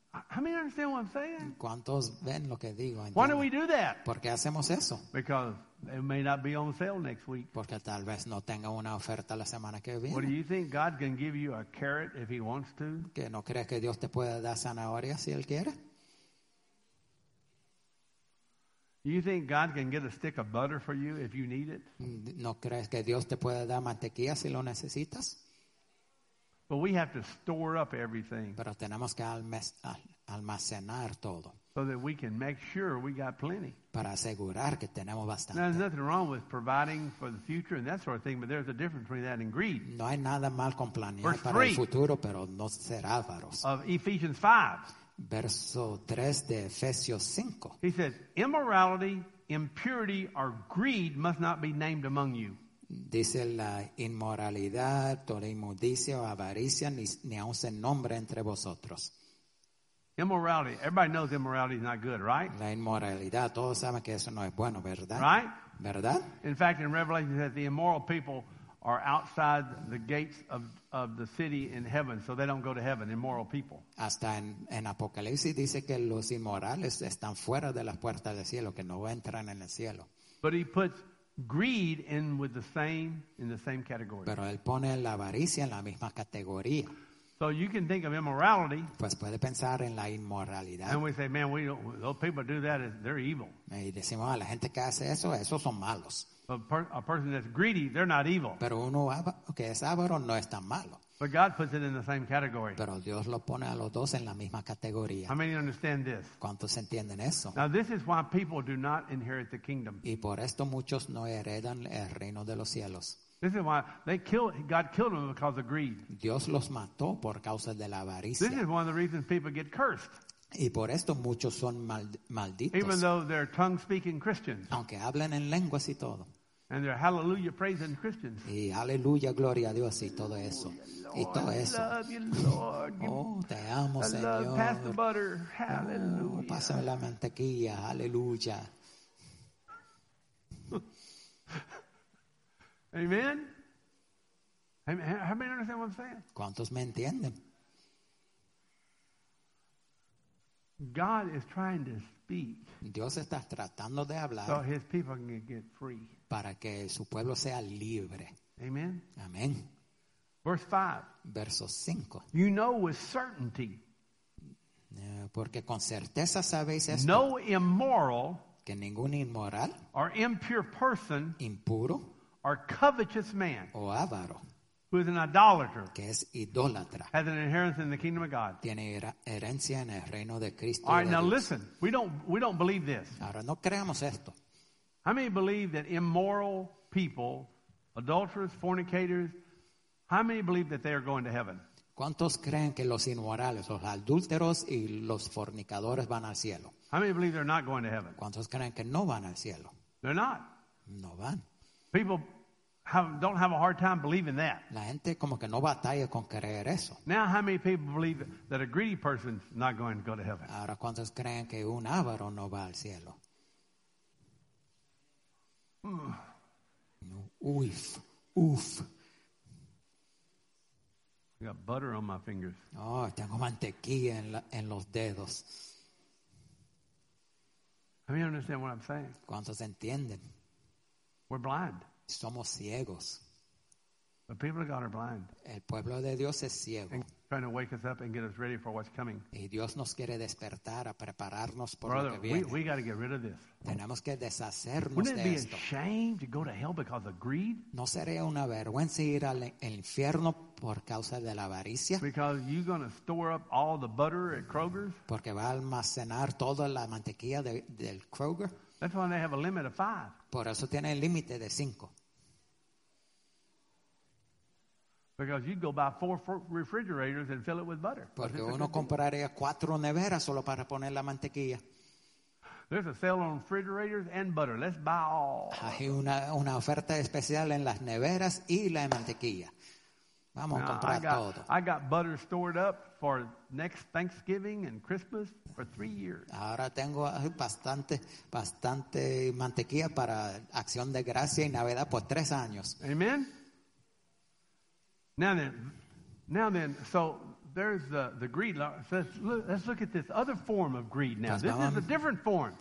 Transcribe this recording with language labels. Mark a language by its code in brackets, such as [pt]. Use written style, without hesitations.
[en] How many understand what I'm saying? [es] ¿Cuántos ven lo que digo? [en] Why do we do that? [es] ¿Por qué hacemos eso? [en] Because it may not be on sale next week. [es] Porque tal vez no tenga una oferta la semana que viene. [en] What do you think God can give you a carrot if He wants to? [es] ¿Que no crees que Dios te puede dar zanahoria si Él quiere? [en] You think God can get a stick of butter for you if you need it? [es] ¿No crees que Dios te puede dar mantequilla si lo necesitas? [en] But we have to store up everything. [es] Pero tenemos que almacenar todo. [en] So that we can make sure we got plenty. [es] Para asegurar que tenemos bastante. [en] Now, there's nothing wrong with providing for the future and that sort of thing, but there's a difference between that and greed. [es] No hay nada mal con planear para el futuro, pero no ser avaros. [en] Of Ephesians 5. [es] Verso 3 de Efesios 5. [en] He says, immorality, impurity, or greed must not be named among you. [es] Dice la inmoralidad, toda inmundicia o avaricia ni aun se nombre entre vosotros. [en] Immorality. Everybody knows immorality is not good, right? [es] La inmoralidad, todos saben que eso no es bueno, ¿verdad? [en] Right? [es] ¿Verdad? [en] In fact, in Revelation it says the immoral people are outside the gates of the city in heaven, so they don't go to heaven, immoral people. [es] Hasta en Apocalipsis dice que los inmorales están fuera de las puertas del cielo, que no entran en el cielo. [en] But he puts greed in the same category. [es] Pero él pone la avaricia en la misma categoría. [en] So you can think of immorality. [es] Pues puede pensar en la inmoralidad. [en] And we say, man, those people do that, they're evil. [es] Y decimos, la gente que hace eso, esos son malos. [en] But a person that's greedy, they're not evil. [es] Pero uno que es avaro no es tan malo. [en] But God puts it in the same category. [es] Pero Dios lo pone a los dos en la misma categoría. [en] How many understand this? [es] ¿Cuántos entienden eso? [en] Now this is why people do not inherit the kingdom. [es] Y por esto muchos no heredan el reino de los cielos. [en] This is why God killed them because of greed. [es] Dios los mató por causa de la avaricia. [en] This is one of the reasons people get cursed. [es] Y por esto muchos son malditos. [en] Even though they're tongue-speaking Christians. [es] Aunque hablen en lenguas y todo. [en] And they're hallelujah praising Christians. [es] Y aleluya, gloria a Dios, y todo eso. Y todo eso. Oh, te amo, Señor. [en] I love past the butter. Hallelujah. [es] Oh, pásame la mantequilla. Aleluya. [en] Amen. How many understand what I'm saying? [es] ¿Cuántos me entienden? [en] God is trying to speak. [es] Dios está tratando de hablar. [en] So his people can get free. [es] Para que su pueblo sea libre. [en] Amen. [es] Amen. [en] Verse 5. [es] Verso 5. [en] You know with certainty. [es] Porque con certeza sabéis esto. [en] No immoral. [es] Que ningún inmoral. [en] Or impure person. [es] Impuro. [en] Or covetous man. [es] O avaro. [en] Who is an idolater. [es] Que es idólatra. [en] Has an inheritance in the kingdom of God. [es] Tiene herencia en el reino de Cristo. [en] All right, [es] de [en] now [es] Dios. [en] Listen. We don't believe this. [es] Ahora no creamos esto. [en] How many believe that immoral people, adulterers, fornicators, how many believe that they are going to heaven? [es] ¿Cuántos creen que los inmorales, los adúlteros y los fornicadores van al cielo? [en] How many believe they're not going to heaven? [es] ¿Cuántos creen que no van al cielo? [en] They're not. [es] No van. [en] People don't have a hard time believing that. [es] La gente como que no batalla con creer eso. [en] Now how many people believe that a greedy person's not going to go to heaven? [es] Ahora, ¿cuántos creen que un avaro no va al cielo? Oof, oof. [en] I got butter on my fingers. [es] Oh, tengo mantequilla en los dedos. [en] How many understand what I'm saying? [es] ¿Cuántos entienden? [en] We're blind. [es] Somos ciegos. [en] The people of God are blind. [es] El pueblo de Dios es ciego. [en] And trying to wake us up and get us ready for what's coming. [es] Y Dios nos quiere despertar a prepararnos por [en] Brother, [es] lo que viene. [en] We got to get rid of this. [es] Tenemos que deshacernos [en] Wouldn't [es] de [en] it be [es] esto. [en] A shame to go to hell because of greed? [es] ¿No sería una vergüenza ir al infierno por causa de la avaricia? [en] Because you're going to store up all the butter at Kroger's? [es] Porque va a almacenar toda la mantequilla del Kroger. [en] That's why they have a limit of 5. [es] Por eso tiene el límite de 5. [en] Because you'd go buy 4 refrigerators and fill it with butter. [es] Porque uno compraría 4 neveras solo para poner la mantequilla. [en] There's a sale on refrigerators and butter. Let's buy all. [es] Hay una oferta especial en las neveras y la mantequilla. Vamos [en] Now, [es] a comprar [en] I got, [es] todo. [en] I got butter stored up for next Thanksgiving and Christmas for 3 years. [es] Ahora tengo bastante mantequilla para Acción de Gracia y Navidad por 3 años. [en] Amen. Now then, so there's the greed. Let's look at this other form of greed now. [es] Entonces, [en] this is a different form.